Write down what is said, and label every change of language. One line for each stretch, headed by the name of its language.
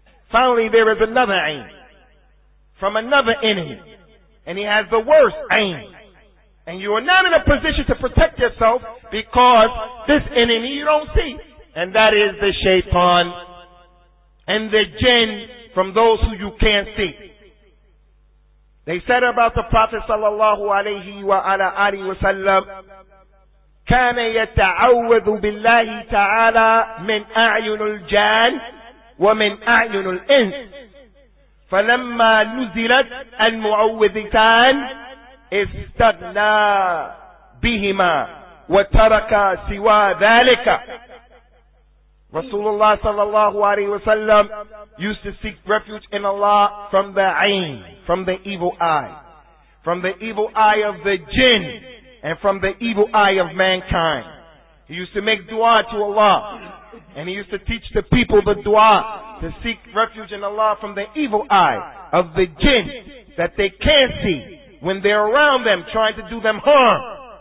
English: Finally, there is another ayn from another enemy. And he has the worst ayn. And you are not in a position to protect yourself because this enemy you don't see. And that is the shaitan and the jinn from those who you can't see. They said about the Prophet sallallahu alayhi wa ala alihi wa sallam,
Arabic: كَانَ يَتَعَوَّذُ بِاللَّهِ تَعَالَى مِنْ أَعْيُنُ الْجَانِ وَمِنْ أَعْيُنُ الْإِنْسِ فَلَمَّا نُزِلَتْ الْمُعَوِّذِتَانِ اسْتَغْنَى بِهِمَا وَتَرَكَ سِوَى ذَلِكَ.
English: Rasulullah sallallahu alayhi wa sallam used to seek refuge in Allah from the ayn, from the evil eye. From the evil eye of the jinn and from the evil eye of mankind. He used to make dua to Allah. And he used to teach the people the dua to seek refuge in Allah from the evil eye of the jinn that they can't see when they're around them trying to do them harm.